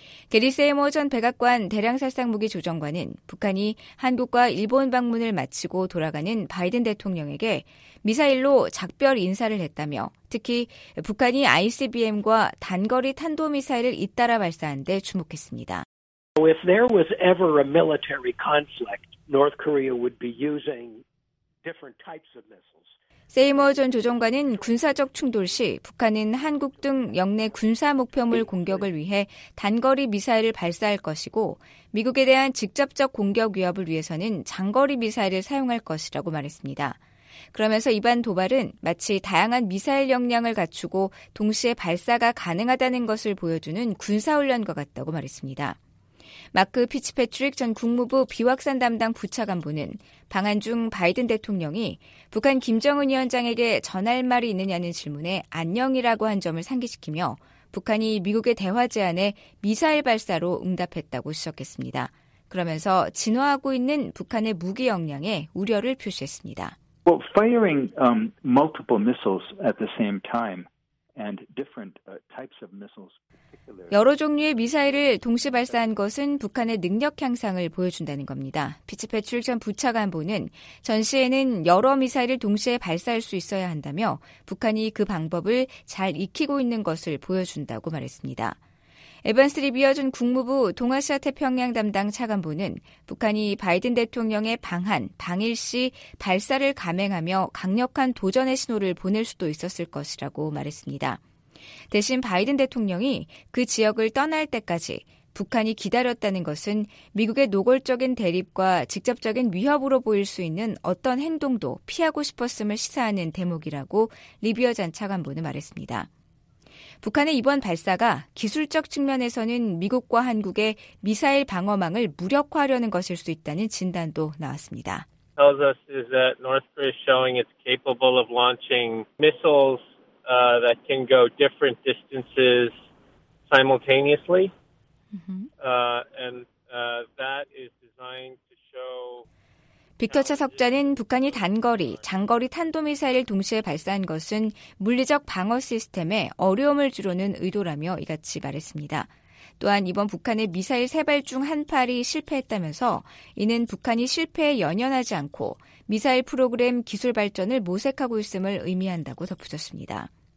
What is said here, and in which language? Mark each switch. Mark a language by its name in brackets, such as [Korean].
[Korean] 게리 세이머 전 백악관 대량살상무기 조정관은 북한이 한국과 일본 방문을 마치고 돌아가는 바이든 대통령에게 미사일로 작별 인사를 했다며 특히 북한이 ICBM과 단거리 탄도미사일을 잇따라 발사한 데 주목했습니다. [English] If there was ever a military conflict, North Korea would be using different types of missiles. [Korean] 세이머 전 조정관은 군사적 충돌 시 북한은 한국 등 영내 군사 목표물 공격을 위해 단거리 미사일을 발사할 것이고 미국에 대한 직접적 공격 위협을 위해서는 장거리 미사일을 사용할 것이라고 말했습니다. 그러면서 이번 도발은 마치 다양한 미사일 역량을 갖추고 동시에 발사가 가능하다는 것을 보여주는 군사훈련과 같다고 말했습니다. 마크 피츠패트릭 전 국무부 비확산 담당 부차관보는 방한 중 바이든 대통령이 북한 김정은 위원장에게 전할 말이 있느냐는 질문에 안녕이라고 한 점을 상기시키며 북한이 미국의 대화 제안에 미사일 발사로 응답했다고 지적했습니다. 그러면서 진화하고 있는 북한의 무기 역량에 우려를 표시했습니다. [English] Well, firing multiple missiles at the same time and different types of missiles. [Korean] 여러 종류의 미사일을 동시 발사한 것은 북한의 능력 향상을 보여준다는 겁니다. 피츠패트릭 전 부차관보는 전시에는 여러 미사일을 동시에 발사할 수 있어야 한다며 북한이 그 방법을 잘 익히고 있는 것을 보여준다고 말했습니다. 에반스 리비어 전 국무부 동아시아 태평양 담당 차관보는 북한이 바이든 대통령의 방한, 방일 시 발사를 감행하며 강력한 도전의 신호를 보낼 수도 있었을 것이라고 말했습니다. 대신 바이든 대통령이 그 지역을 떠날 때까지 북한이 기다렸다는 것은 미국의 노골적인 대립과 직접적인 위협으로 보일 수 있는 어떤 행동도 피하고 싶었음을 시사하는 대목이라고 리비어 전 차관보는 말했습니다. 북한의 이번 발사가 기술적 측면에서는 미국과 한국의 미사일 방어망을 무력화하려는 것일 수 있다는 진단도 나왔습니다. [English] Tells us is that North Korea is showing it's capable of launching missiles that can go different distances simultaneously. That is designed to show [Korean] 빅터 차석자는 북한이 단거리, 장거리 탄도미사일을 동시에 발사한 것은 물리적 방어 시스템에 어려움을 주려는 의도라며 이같이 말했습니다. 또한 이번 북한의 미사일 3발 중 한 발이 실패했다면서 이는 북한이 실패에 연연하지 않고 미사일 프로그램 기술 발전을 모색하고 있음을 의미한다고 덧붙였습니다.